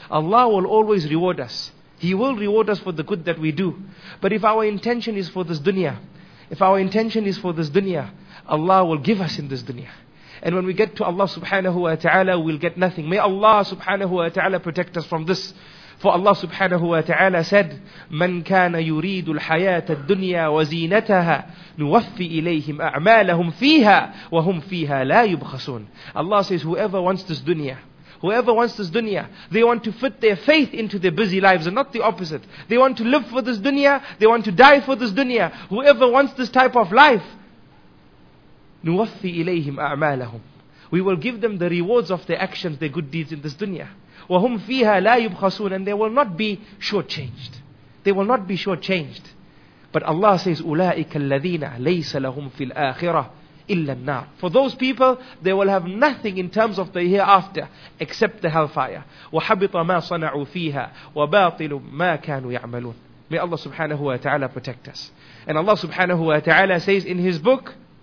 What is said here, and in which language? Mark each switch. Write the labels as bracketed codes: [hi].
[en] Allah will always reward us. He will reward us for the good that we do. But if our intention is for this dunya, if our intention is for this dunya, Allah will give us in this dunya. And when we get to Allah subhanahu wa ta'ala, we'll get nothing. May Allah subhanahu wa ta'ala protect us from this. For Allah subhanahu wa ta'ala said, [ar] مَنْ كَانَ يُرِيدُ الْحَيَاةَ الدُّنْيَا وَزِينَتَهَا نُوَفِّ إِلَيْهِمْ أَعْمَالَهُمْ فِيهَا وَهُمْ فِيهَا لَا يُبْخَسُونَ. [en] Allah says, whoever wants this dunya, whoever wants this dunya, they want to fit their faith into their busy lives and not the opposite. They want to live for this dunya, they want to die for this dunya. Whoever wants this type of life, [ar] نُوَفِّ إِلَيْهِمْ أَعْمَالَهُمْ, [en] We will give them the rewards of their actions, their good deeds in this dunya. [ar] وَهُمْ فِيهَا لَا يُبْخَسُونَ [en] And they will not be shortchanged. They will not be shortchanged. But Allah says, [ar] أُولَٰئِكَ الَّذِينَ لَيْسَ لَهُمْ فِي الْآخِرَةِ إِلَّا النَّارِ [en] For those people, they will have nothing in terms of the hereafter except the hellfire. [ar] وَحَبِطَ مَا صَنَعُوا فِيهَا وَبَاطِلُ مَا كَانُوا يَعْمَلُونَ [en] May Allah subhanahu wa ta'ala protect us. And Allah subhanahu wa ta'ala says in his book,